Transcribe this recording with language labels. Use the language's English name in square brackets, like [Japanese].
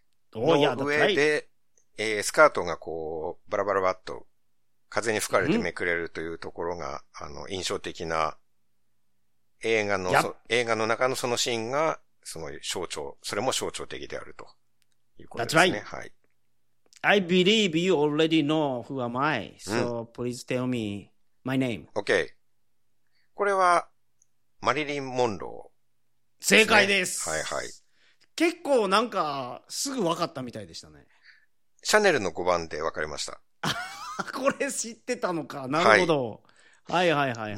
[Japanese] どうやの上で、スカートがこう、バラバラバッと、風に吹かれてめくれるというところが、あの、印象的な、映画の、映画の中のそのシーンが、その象徴、それも象徴的であると。 [English] That's right. [Japanese] はい。 [English] I believe you already know who am I, so please tell me my name. Okay. [Japanese] これは、マリリン・モンロー、ね。正解です。はいはい。結構なんか、すぐ分かったみたいでしたね。シャネルの5番で分かりました。これ知ってたのか。なるほど。はい、はい、はいはいはい。